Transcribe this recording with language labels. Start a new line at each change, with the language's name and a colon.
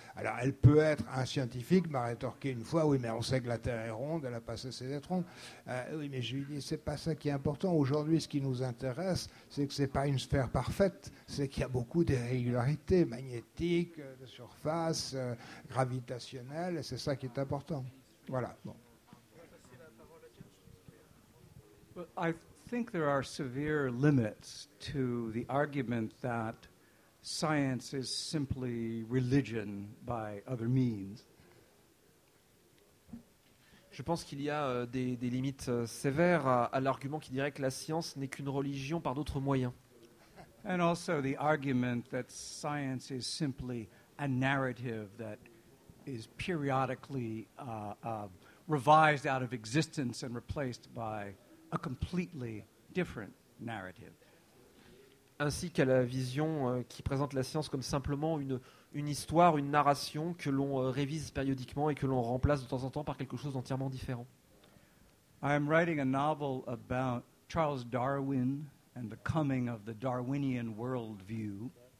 French: Alors, elle peut être, un scientifique m'a rétorqué une fois, oui, mais on sait que la Terre est ronde, elle a passé ses êtres ronds. Oui, mais je lui dis, c'est pas ça qui est important. Aujourd'hui, ce qui nous intéresse, c'est que c'est pas une sphère parfaite, c'est qu'il y a beaucoup d'irrégularités magnétiques, de surface, gravitationnelles, et c'est ça qui est important. Voilà, bon.
English: I think there are severe limits to the argument that science is simply religion by other means.
French: Je pense qu'il y a des limites sévères à l'argument qui dirait que la science n'est qu'une religion par d'autres moyens.
English: And also the argument that science is simply a narrative that is periodically revised out of existence and replaced by a completely different narrative.
French: Ainsi qu'à la vision qui présente la science comme simplement une histoire, une narration que l'on révise périodiquement et que l'on remplace de temps en temps par quelque chose d'entièrement différent.
English: I am writing a novel about Charles Darwin and the coming of the Darwinian worldview.